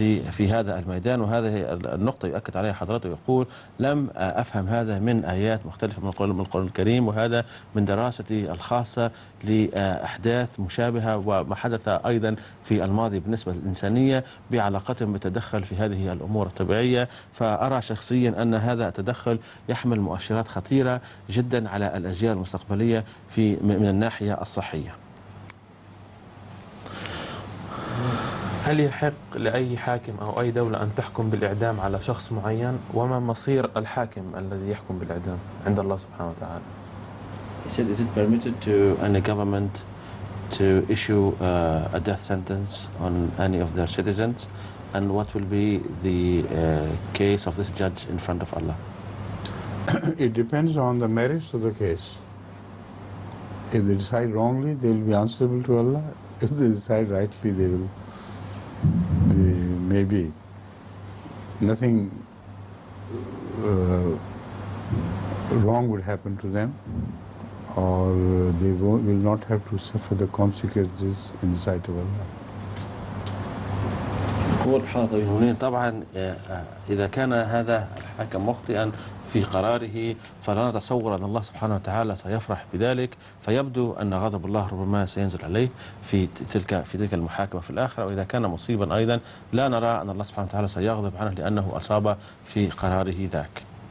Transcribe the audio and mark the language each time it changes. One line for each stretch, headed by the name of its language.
Arabic: في هذا الميدان، وهذه النقطة يؤكد عليها حضرته يقول لم أفهم هذا من آيات مختلفة من القرآن الكريم، وهذا من دراستي الخاصة لأحداث مشابهة وما حدث أيضا في الماضي بالنسبة للإنسانية بعلاقتهم بالتدخل في هذه الأمور الطبيعية، فأرى شخصيا أن هذا التدخل يحمل مؤشرات خطيرة جدا على الأجيال المستقبلية في من الناحية الصحية. هل يحق لأي حاكم أو أي دولة أن تحكم بالإعدام على شخص معين، وما مصير الحاكم الذي يحكم بالإعدام عند الله سبحانه وتعالى؟
English: He said, is it permitted to any government to issue a death sentence on any of their citizens, and what will be the case of this judge in front of Allah? It depends on the merits of the case. If they decide wrongly, they will be answerable to Allah. If they decide rightly, they will be maybe nothing wrong would happen to them, or they will not have to suffer the consequences in the sight of Allah.
Arabic: يقول حاضر يهونين. طبعا إذا كان هذا الحاكم مخطئا في قراره فلا نتصور أن الله سبحانه وتعالى سيفرح بذلك، فيبدو أن غضب الله ربما سينزل عليه في تلك المحاكمة في الآخرة. وإذا كان مصيبا أيضا لا نرى أن الله سبحانه وتعالى سيغضب عنه لأنه أصاب في قراره ذاك.